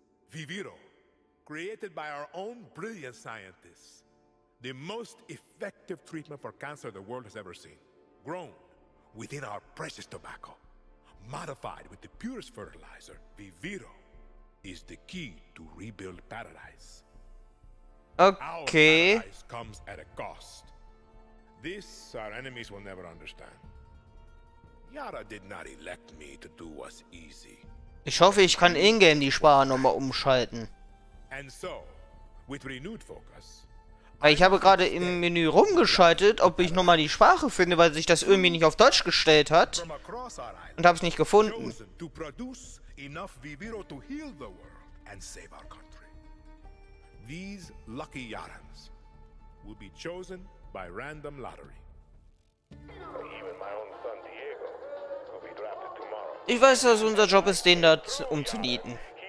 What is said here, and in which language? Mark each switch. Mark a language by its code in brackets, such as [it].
[en] Viviro, created by our own brilliant scientists, the most effective treatment for cancer the world has ever seen, grown within our precious tobacco, modified with the purest fertilizer, Viviro is the key to rebuild paradise. Okay. Comes at a cost. This our enemies will never understand. Yara did not elect me to do what's easy. [de] Ich hoffe, ich kann ingame die Sparnummer umschalten. [en] And so, with renewed focus. [de] Ich habe gerade im Menü rumgeschaltet, ob ich nochmal die Sprache finde, weil sich das irgendwie nicht auf Deutsch gestellt hat. Und habe es nicht gefunden. [en] To produce enough Viviro to heal the world and save our country. These lucky Yarans will be chosen by random lottery. Even my own son Diego will be drafted tomorrow. [de] Ich weiß, dass unser Job ist, den dort umzunieten.